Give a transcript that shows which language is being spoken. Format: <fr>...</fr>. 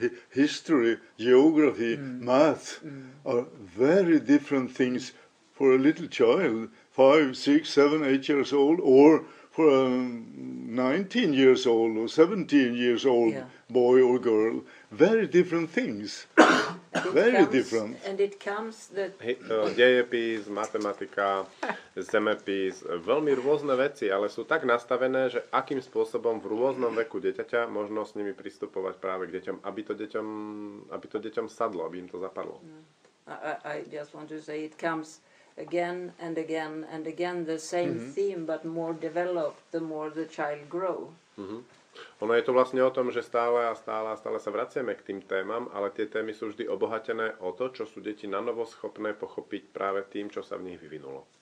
<en>History, geography, math are very different things for a little child, 5, 6, 7, 8 years old, or for a 19 years old or 17 years old boy or girl. Very different things. Very comes, different. And it comes that...</en> <sk>Dejepis, matematika, zemepis, veľmi rôzne veci, ale sú tak nastavené, že akým spôsobom v rôznom veku dieťaťa možno s nimi pristupovať práve k deťom, aby to deťom sadlo, aby im to zapadlo.</sk> <en>I just want to say it comes again and again and again, the same theme, but more developed the more the child grow.</en> <sk>Ono je to vlastne o tom, že stále a stále a stále sa vraciame k tým témam, ale tie témy sú vždy obohatené o to, čo sú deti nanovo schopné pochopiť práve tým, čo sa v nich vyvinulo.</sk>